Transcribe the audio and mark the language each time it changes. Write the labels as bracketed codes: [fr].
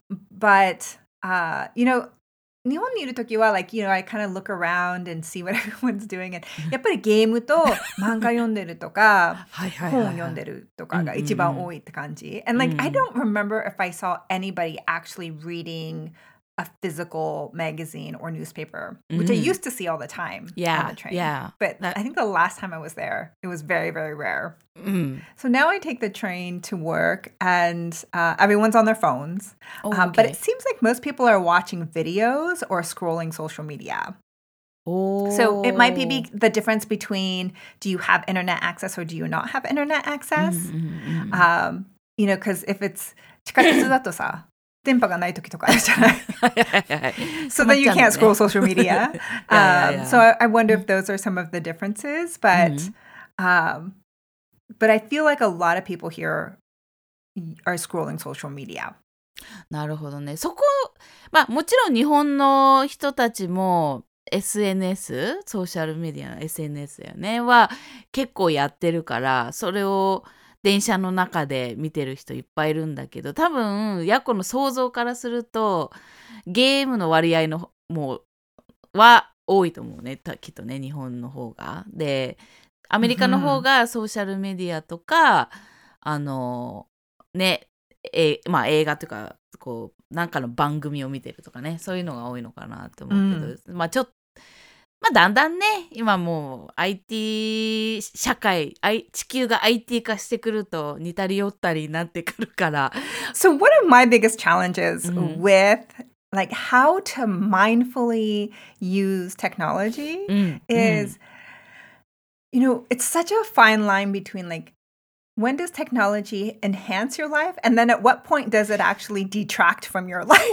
[en] But, you know, I kind of look around and see what everyone's doing. [ja] And やっぱりゲームと漫画読んでるとか本読んでるとかが一番多いって感じ。 [en] And like, I don't remember if I saw anybody actually reading a physical magazine or newspaper, which I used to see all the time on the train. Yeah. But I think the last time I was there, it was very, very rare. Mm. So now I take the train to work and everyone's on their phones. Oh, okay. But it seems like most people are watching videos or scrolling social media. Oh. So it might be the difference between do you have internet access or do you not have internet access? You know, because if it's [ja] 地下鉄だとさ、電波がない時とかあるじゃない。 [en] So then you can't scroll social media. So I wonder if those are some of the differences. But, but I feel like a lot of people here are scrolling social media. [ja] なるほどね。そこ、まあもちろん日本の人たちも SNS、ソーシャルメディアの SNS だよね、は結構やってるから、それを電車の中で見てる人いっぱいいるんだけど、多分ヤコの想像からするとゲームの割合のもうは多いと思うね、きっとね、日本の方が。でアメリカの方がソーシャルメディアとか、あのね、まあ映画とかこうなんかの番組を見てるとかね、そういうのが多いのかなと思うけど、まあちょっとまあ、だんだんね、今もう IT 社会、地球が IT 化してくると似たり寄ったりになってくるから。 [en] So one of my biggest challenges with like how to mindfully use technology is, you know, it's such a fine line between like when does technology enhance your life and then at what point does it actually detract from your life?